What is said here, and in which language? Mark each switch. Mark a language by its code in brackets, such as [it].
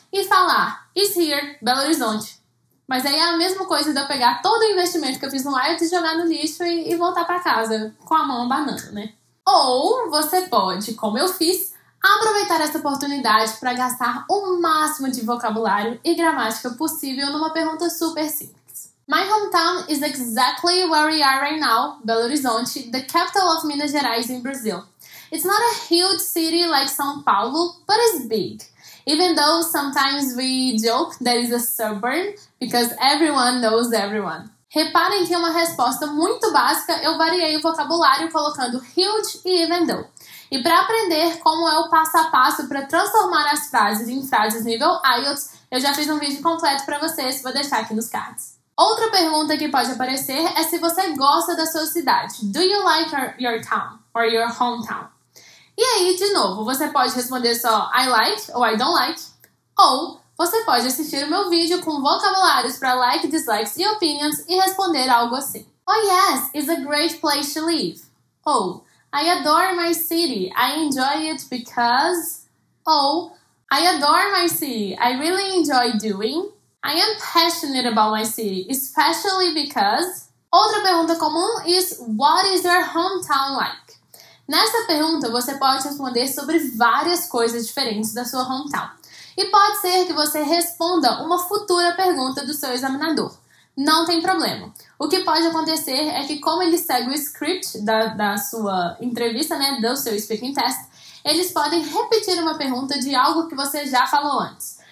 [pt] E falar, is here, Belo Horizonte. Mas aí é a mesma coisa de eu pegar todo o investimento que eu fiz no IELTS e jogar no lixo e voltar para casa com a mão abanando, né? Ou você pode, como eu fiz, aproveitar essa oportunidade para gastar o máximo de vocabulário e gramática possível numa pergunta super simples. [en] My hometown is exactly where we are right now, Belo Horizonte, the capital of Minas Gerais in Brazil. It's not a huge city like São Paulo, but it's big. Even though sometimes we joke that it's a suburb, because everyone knows everyone. [pt] Reparem que uma resposta muito básica, eu variei o vocabulário colocando huge e even though. E para aprender como é o passo a passo para transformar as frases em frases nível IELTS, eu já fiz um vídeo completo para vocês, vou deixar aqui nos cards. Outra pergunta que pode aparecer é se você gosta da sua cidade. [en] Do you like your town? Or your hometown? [pt] E aí, de novo, você pode responder só [en] I like ou I don't like. [pt] Ou você pode assistir o meu vídeo com vocabulários para like, dislikes e opinions e responder algo assim. [en] Oh yes, it's a great place to live. Ou I adore my city. I enjoy it because... Ou I adore my city. I really enjoy doing. I am passionate about my city, especially because... [pt] Outra pergunta comum é [en] what is your hometown like? [pt] Nessa pergunta, você pode responder sobre várias coisas diferentes da sua hometown. E pode ser que você responda uma futura pergunta do seu examinador. Não tem problema. O que pode acontecer é que, como ele segue o script da sua entrevista, né, do seu speaking test, eles podem repetir uma pergunta de algo que você já falou antes.